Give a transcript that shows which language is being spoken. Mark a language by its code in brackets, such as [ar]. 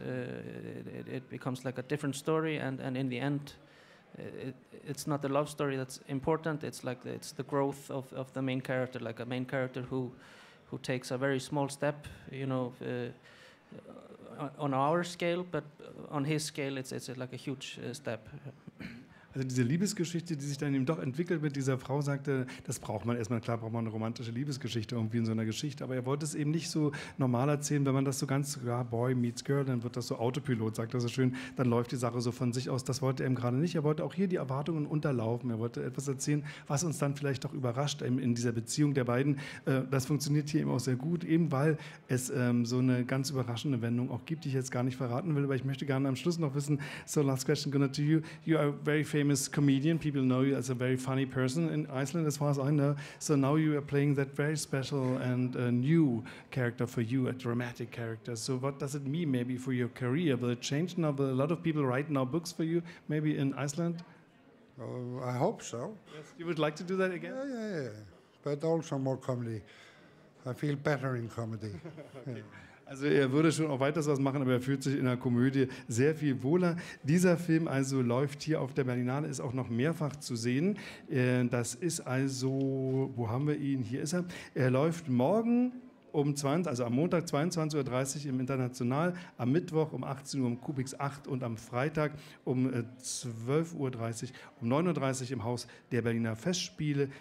[en] It becomes like a different story, and in the end, it's not the love story that's important. It's like it's the growth of the main character, like a main character who takes a very small step, you know, on our scale, but on his scale, it's like a huge step. [de] Also diese Liebesgeschichte, die sich dann eben doch entwickelt mit dieser Frau, sagte, das braucht man erstmal, klar braucht man eine romantische Liebesgeschichte irgendwie in so einer Geschichte, aber er wollte es eben nicht so normal erzählen. Wenn man das so ganz, ja, [en] Boy meets Girl, [de] dann wird das so Autopilot, sagt er so schön, dann läuft die Sache so von sich aus, das wollte er eben gerade nicht, er wollte auch hier die Erwartungen unterlaufen, er wollte etwas erzählen, was uns dann vielleicht doch überrascht in dieser Beziehung der beiden. Das funktioniert hier eben auch sehr gut, eben weil es so eine ganz überraschende Wendung auch gibt, die ich jetzt gar nicht verraten will, aber ich möchte gerne am Schluss noch wissen, so [en] last question, Gunnar, to you, you are very famous comedian, people know you as a very funny person in Iceland, as far as I know. So now you are playing that very special and new character for you, a dramatic character. So what does it mean maybe for your career? Will it change now? Will a lot of people write now books for you, maybe in Iceland? I hope so. Yes, you would like to do that again? Yeah. But also more comedy. I feel better in comedy. Okay. [de] Also er würde schon auch weiter was machen, aber er fühlt sich in der Komödie sehr viel wohler. Dieser Film also läuft hier auf der Berlinale, ist auch noch mehrfach zu sehen. Das ist also, wo haben wir ihn? Hier ist er. Er läuft morgen um 20, also am Montag 22.30 Uhr im International, am Mittwoch um 18 Uhr im Kubix 8 und am Freitag um 12.30 Uhr, um 9.30 Uhr im Haus der Berliner Festspiele.